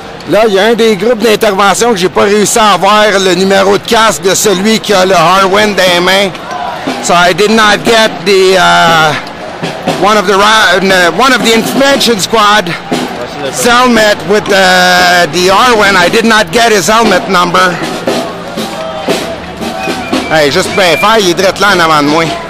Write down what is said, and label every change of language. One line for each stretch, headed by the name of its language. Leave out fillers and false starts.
French: Là, il y a un des groupes d'intervention que j'ai pas réussi à avoir le numéro de casque de celui qui a le Harwin dans les mains.
English: So I did not get the one of the information squad helmet with the Arwen. I did not get his helmet number.
French: Hey, just bien faire, il est drette là en avant de moi.